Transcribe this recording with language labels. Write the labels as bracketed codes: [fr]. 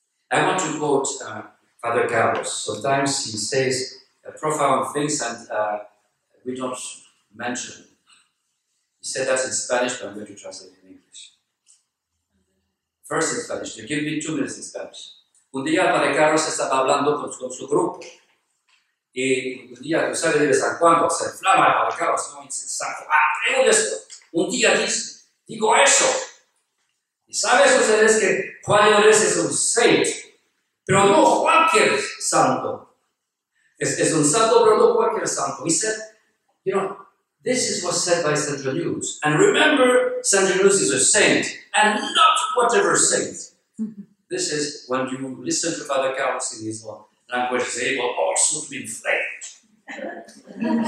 [en] I want to quote Father Carlos. Sometimes he says profound things and we don't mention. He said that in Spanish, but I'm going to translate in English. First in Spanish, you give me 2 minutes in Spanish. [es] Un día Padre Carlos estaba hablando con su grupo. Y un día, tú sabes de San Juan, se inflama el Padre Carlos, ¿no? Y dice, Santo, ¡ah, creo esto! Un día dice, digo eso. Y sabes ustedes que Juan Eudes es un saint, pero no cualquier santo. Es un santo, pero no cualquier santo. [en] He said, you know, this is what's said by St. John Eudes. And remember, St. John Eudes is a saint, and not whatever saint. This is when you listen to Father Carlos in his language, he's able also to be inflamed.